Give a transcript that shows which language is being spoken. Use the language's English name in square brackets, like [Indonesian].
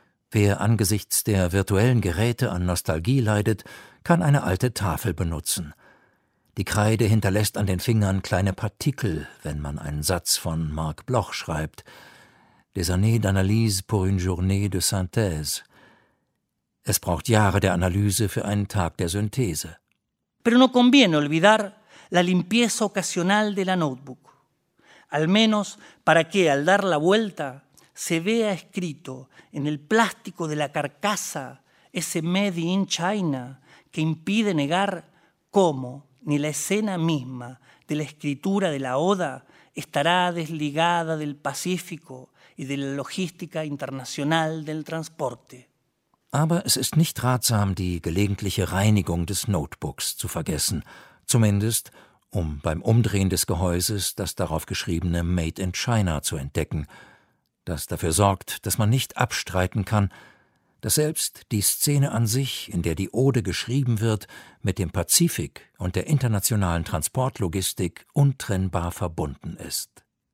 [German] Wer angesichts der virtuellen Geräte an Nostalgie leidet, kann eine alte Tafel benutzen. Die Kreide hinterlässt an den Fingern kleine Partikel, wenn man einen Satz von Marc Bloch schreibt, » [French] Des années d'analyse pour une journée de synthèse«. [German] Es braucht Jahre der Analyse für einen Tag der Synthese. [Spanish] Pero no conviene olvidar la limpieza ocasional de la notebook, al menos para que al dar la vuelta se vea escrito en el plástico de la carcasa ese Made in China que impide negar cómo ni la escena misma de la escritura de la oda estará desligada del Pacífico y de la logística internacional del transporte. [German] Aber es ist nicht ratsam, die gelegentliche Reinigung des Notebooks zu vergessen, zumindest um beim Umdrehen des Gehäuses das darauf geschriebene Made in China zu entdecken, das dafür sorgt, dass man nicht abstreiten kann, dass selbst die Szene an sich, in der die Ode geschrieben wird, mit dem Pazifik und der internationalen Transportlogistik untrennbar verbunden ist.